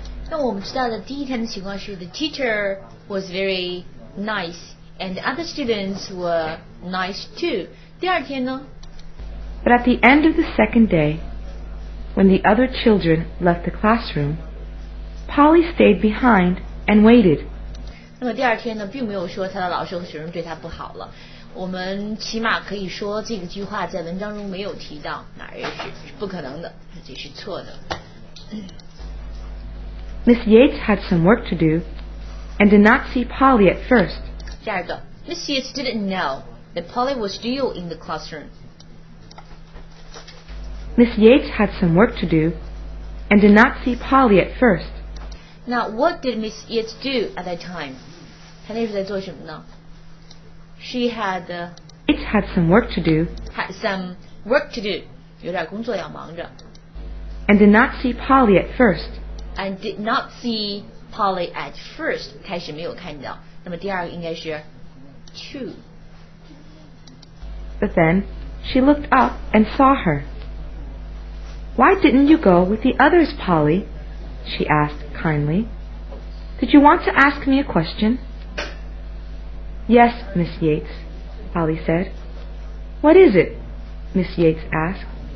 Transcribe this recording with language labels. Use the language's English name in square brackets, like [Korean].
[Chinese] 那我们知道的第一天的情况是 [English] the teacher was very nice and the other students were nice, too. [Chinese] 第二天呢? [English] But at the end of the second day, when the other children left the classroom,Polly stayed behind and waited. [Chinese] 那么第二天呢，并没有说他的老师和学生对他不好了。我们起码可以说这个句话在文章中没有提到，哪也是不可能的，这是错的。 [English] Miss Yates had some work to do and did not see Polly at first. [Chinese] 第二个 [English] Miss Yates didn't know that Polly was still in the classroom. Miss Yates had some work to do and did not see Polly at first. Now, what did Miss Yates do at that time? [Chinese] 她那时候在做什么呢? [English] She had... It had some work to do. Had some work to do. [Chinese] 有点工作要忙着。 [English] And did not see Polly at first. And did not see Polly at first. [Chinese] 开始没有看到。那么第二个应该是 to. [English] But then, she looked up and saw her. Why didn't you go with the others, Polly? She asked. Kindly. Did you want to ask me a question? Yes, Miss Yates, Polly said. What is it? Miss Yates asked.